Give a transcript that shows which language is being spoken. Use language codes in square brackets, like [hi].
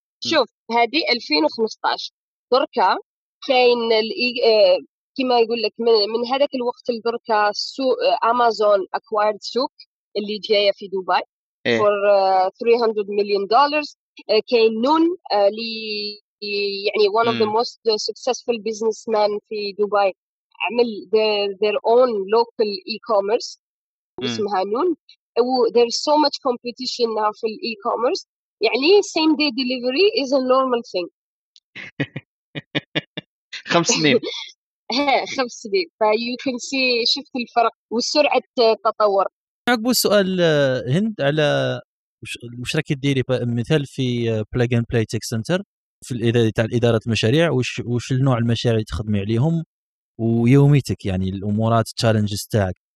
[ar] شوف هذه 2015 دركا كاين كما يقول لك من هذاك الوقت لدركا سوق امازون اكوايرد سوق اللي جايه في دبي إيه. فور 300 مليون دولار كاين نون اللي يعني [en] one of the most successful businessmen [ar] في دبي عمل [en] their own local e-commerce [ar] اسمها نون. [en] There's so much competition now في e-commerce [ar] يعني [en] same day delivery is a normal thing. [ar] خمس سنين خمس سنين ف [en] you can see [ar] شفت الفرق وسرعة التطور. عقب السؤال هند على المشاركة ديري مثال في plug and play tech center في إدارة المشاريع وش النوع المشاريع اللي تخدمي عليهم ويوميتك يعني الأمورات challenges تاعك.